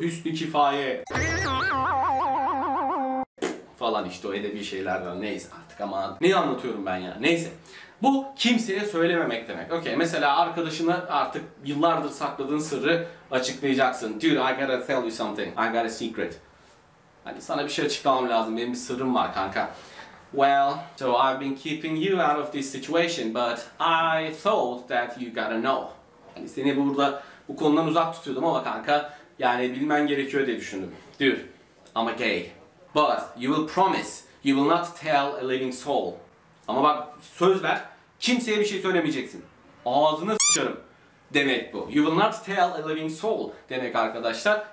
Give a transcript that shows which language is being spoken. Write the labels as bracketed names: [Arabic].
[Turkish] Hüsnü kifaye falan işte, o edebi şeylerden, neyse artık ama ne anlatıyorum ben ya, neyse. Bu kimseye söylememek demek. Okey, mesela arkadaşına artık yıllardır sakladığın sırrı açıklayacaksın. [English] Dude, I gotta tell you something. I got a secret. [Turkish] Hani sana bir şey açıklamam lazım, benim bir sırrım var kanka. [English] Well, so I've been keeping you out of this situation, but I thought that you gotta know. [Turkish] Hani seni burada bu konudan uzak tutuyordum ama kanka, yani bilmen gerekiyor diye düşündüm. [English] Dude, I'm a gay. But you will promise you will not tell a living soul. [Turkish] Ama bak, söz ver, kimseye bir şey söylemeyeceksin. Ağzını s**arım demek bu. [English] You will not tell a living soul [Turkish] demek arkadaşlar.